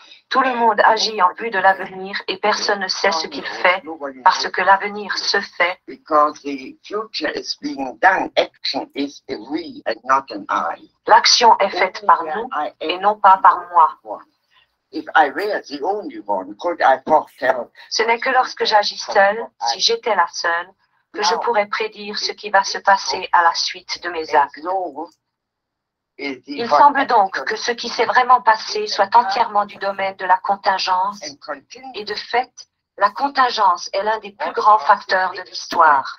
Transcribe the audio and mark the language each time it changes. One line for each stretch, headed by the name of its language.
French: Tout le monde agit en vue de l'avenir et personne ne sait ce qu'il fait parce que l'avenir se fait.
English: Because the future is being done. Action is a we and not an I.
French: L'action est faite par nous et non pas par moi.
English: If I were the only one, could I foretell?
French: Ce n'est que lorsque j'agis seul, si j'étais la seule, que je pourrais prédire ce qui va se passer à la suite de mes actes. Il semble donc que ce qui s'est vraiment passé soit entièrement du domaine de la contingence, et de fait, la contingence est l'un des plus grands facteurs de l'histoire.